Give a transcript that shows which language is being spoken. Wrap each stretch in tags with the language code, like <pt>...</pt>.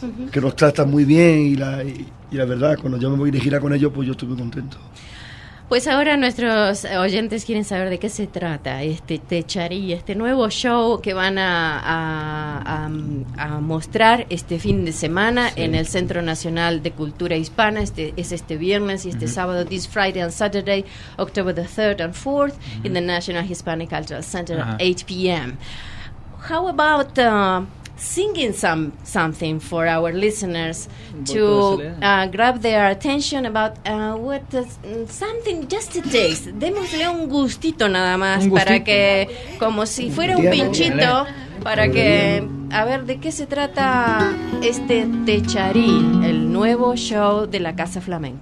<es>Que nos trata muy bien y la verdad, cuando yo me voy de gira con ellos, pues yo estuve contento. Pues ahora nuestros oyentes quieren saber de qué se trata este Techarí, este nuevo show que van a mostrar este fin de semana, sí, en el Centro Nacional de Cultura Hispana. Es este viernes y este sábado,</es> <en>this Friday and Saturday, October the 3rd and 4th, in the National Hispanic Cultural Center, at 8 p.m. How about singing something for our listeners to grab their attention about what does, something just a taste.</en> <es>Démosle un gustito nada más, gustito, para que, como si fuera un pinchito, para que, a ver de qué se trata este Techarí, el nuevo show de la Casa Flamenco.</es>